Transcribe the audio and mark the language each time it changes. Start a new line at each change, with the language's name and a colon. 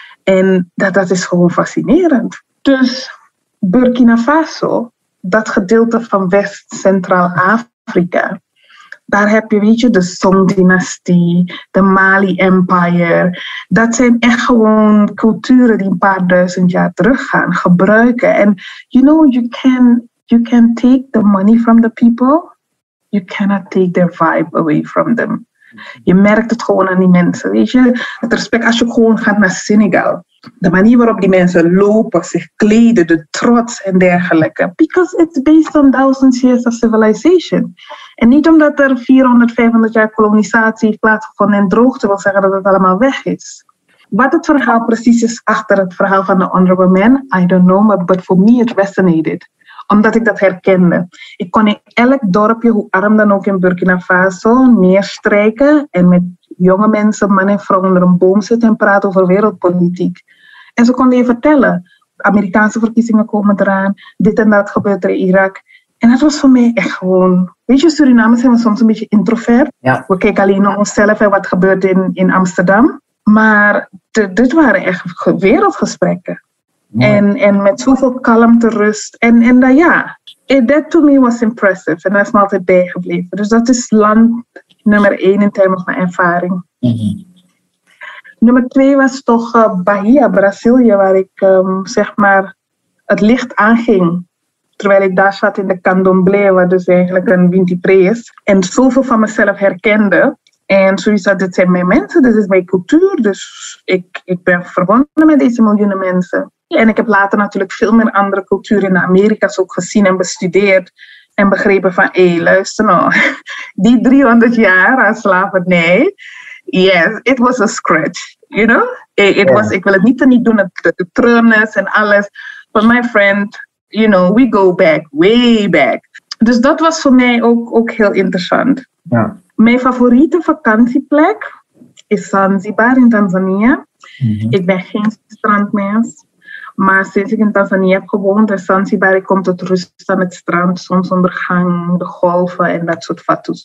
Dutch: En dat is gewoon fascinerend. Dus Burkina Faso, dat gedeelte van West-Centraal-Afrika, daar heb je, weet je, de Song-dynastie, de Mali-empire. Dat zijn echt gewoon culturen die een paar duizend jaar teruggaan, gebruiken.
English: En you know, you can take the money from the people, you cannot take their vibe away from them.
Dutch: Je merkt het gewoon aan die mensen, weet je. Het respect, als je gewoon gaat naar Senegal, de manier waarop die mensen lopen, zich kleden, de trots en dergelijke.
English: Because it's based on thousands years of civilization.
Dutch: En niet omdat er 400, 500 jaar kolonisatie heeft plaatsgevonden en droogte wil zeggen dat het allemaal weg is. Wat het verhaal precies is achter het verhaal van de Honorable Man,
English: I don't know, but for me it resonated.
Dutch: Omdat ik dat herkende. Ik kon in elk dorpje, hoe arm dan ook in Burkina Faso, neerstrijken en met jonge mensen, man en vrouw, onder een boom zitten en praten over wereldpolitiek. En ze konden je vertellen, Amerikaanse verkiezingen komen eraan, dit en dat gebeurt er in Irak. En dat was voor mij echt gewoon... Weet je, Surinamers zijn we soms een beetje introvert. Ja. We kijken alleen naar onszelf en wat gebeurt in Amsterdam. Maar dit waren echt wereldgesprekken. Mooi. En met zoveel kalmte, rust. En dat, ja,
English: that to me was impressive.
Dutch: En dat is me altijd bijgebleven. Dus dat is land nummer 1 in termen van ervaring. Mm-hmm. Nummer 2 was toch Bahia, Brazilië, waar ik zeg maar het licht aanging. Terwijl ik daar zat in de candomblé, wat dus eigenlijk een wintipré is. En zoveel van mezelf herkende. En sowieso, dit zijn mijn mensen, dit is mijn cultuur. Dus ik ben verbonden met deze miljoenen mensen. En ik heb later natuurlijk veel meer andere culturen in de Amerika's ook gezien en bestudeerd. En begrepen van, hé, luister nou, die 300 jaar aan slavernij,
English: yes, it was a scratch, you know? It was,
Dutch: ik wil het niet te niet doen, het treurnis en alles.
English: But my friend, you know, we go back, way back.
Dutch: Dus dat was voor mij ook heel interessant. Ja. Mijn favoriete vakantieplek is Zanzibar in Tanzania. Mm-hmm. Ik ben geen strandmens. Maar sinds ik in Tanzania heb gewoond, in Zanzibar, ik kom tot rust aan het strand, zonsondergang, de golven en dat soort fatsoens.